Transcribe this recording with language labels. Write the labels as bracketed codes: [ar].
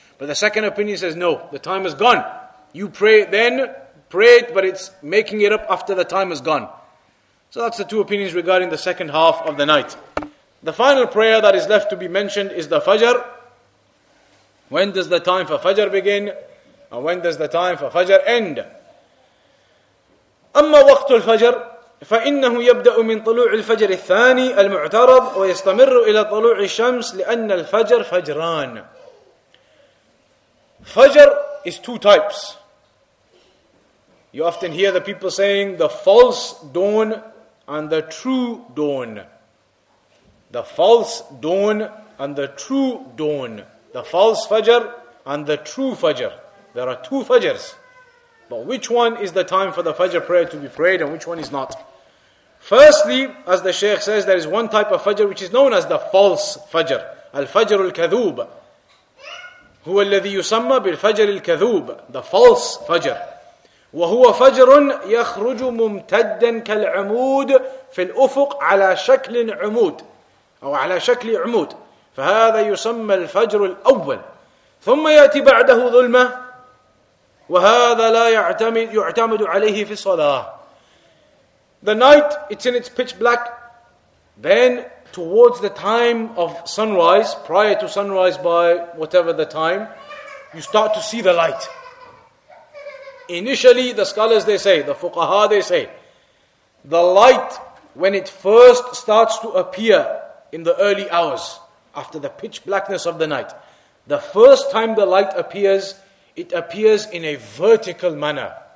[en] But the second opinion says no, the time is gone. You pray then, pray it, but it's making it up after the time is gone. So that's the two opinions regarding the second half of the night. The final prayer that is left to be mentioned is the Fajr. When does the time for Fajr begin? And when does the time for Fajr end? [ar] أما وقت الفجر فإنه يبدأ من طلوع الفجر الثاني المعترض ويستمر إلى طلوع الشمس لأن الفجر فجران. [en] Fajr is two types. You often hear the people saying the false dawn and the true dawn. The false dawn and the true dawn. The false Fajr and the true Fajr. There are two Fajrs. But which one is the time for the Fajr prayer to be prayed and which one is not? Firstly, as the Shaykh says, there is one type of Fajr which is known as the false Fajr. [ar] Al-Fajr al-Kathub. هو الذي يسمى بالفجر الكذوب. [en] The false Fajr. [ar] وهو فجر يخرج ممتدا كالعمود في الأفق على شكل عمود أو على شكل عمود فهذا يسمى الفجر الأول ثم يأتي بعده ظلمة وهذا لا يعتمد عليه في الصلاة. [en] The night, it's in its pitch black. Then towards the time of sunrise, prior to sunrise by whatever the time, you start to see the light. Initially, the scholars, they say, the fuqaha, they say, the light, when it first starts to appear in the early hours, after the pitch blackness of the night, the first time the light appears, it appears in a vertical manner.